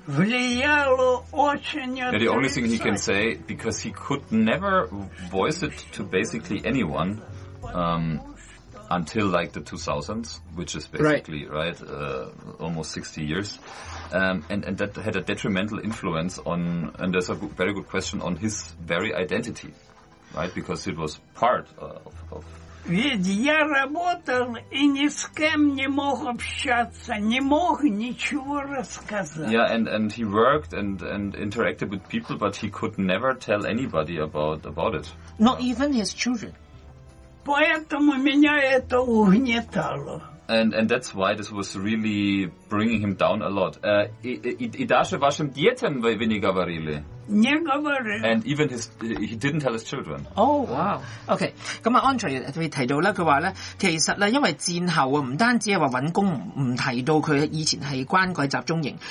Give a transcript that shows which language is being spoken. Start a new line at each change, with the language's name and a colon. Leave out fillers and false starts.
English: Yeah, the only thing he can say, because he could never voice it to basically anyone, until like the 2000s, which is basically, right, almost 60 years. And that had a detrimental influence on, and there's a very good question on his very identity, right, because it was part of
Russian: Ведь я работал и ни с кем не мог общаться, не мог ничего рассказать.
English: Yeah, and he worked and interacted with people, but he could never tell anybody about it. Not even his children.
Russian: Поэтому меня это угнетало.
English: And that's why this was really bringing him down a lot.
Russian: И даже вашим детям вы не говорили? Не говорил.
English: And even his, he didn't tell his children. Oh, wow. Okay.
Cantonese: 咁啊 ，Andre 佢提到咧，佢话咧，其实咧，因为战后啊，唔单止系话揾工，唔提到佢以前系关过集中营。